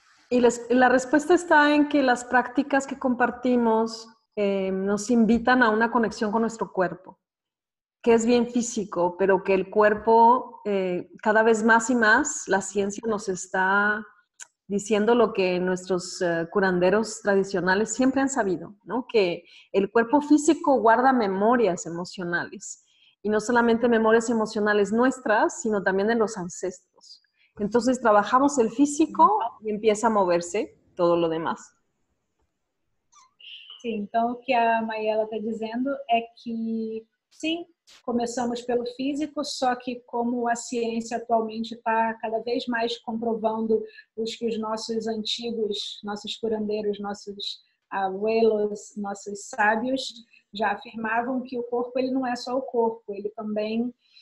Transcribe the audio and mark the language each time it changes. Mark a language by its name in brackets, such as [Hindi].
[Portuguese] E a resposta está em que as práticas que compartimos nos invitam a uma conexão com nosso corpo, que é bem físico, mas que o corpo, cada vez mais e mais, a ciência nos está [Spanish] diciendo lo que nuestros curanderos tradicionales siempre han sabido, ¿no? Que el cuerpo físico guarda memorias emocionales. Y no solamente memorias emocionales nuestras, sino también de los ancestros. Entonces trabajamos el físico y empieza a moverse todo lo demás. Sí, entonces lo que a Mayela está diciendo es que sí, [Portuguese] começamos pelo físico, só que como a ciência atualmente está cada vez mais comprovando os que os nossos antigos, nossos curandeiros, nossos abuelos, nossos sábios já afirmavam que o corpo ele não é só o corpo, ele também